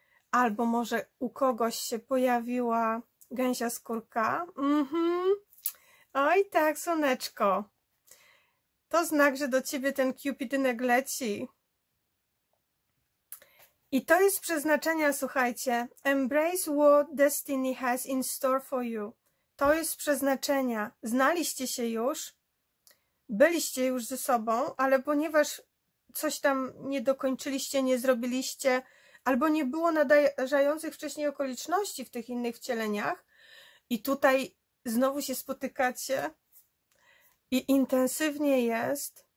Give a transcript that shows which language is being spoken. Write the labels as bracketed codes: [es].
[pl] Albo może u kogoś się pojawiła gęsia skórka. Oj tak, słoneczko. To znak, że do ciebie ten kupidynek leci. I to jest przeznaczenie, słuchajcie. [en] Embrace what destiny has in store for you. [pl] To jest przeznaczenie. Znaliście się już, byliście już ze sobą, ale ponieważ coś tam nie dokończyliście, nie zrobiliście, albo nie było nadarzających wcześniej okoliczności w tych innych wcieleniach, i tutaj znowu się spotykacie i intensywnie jest.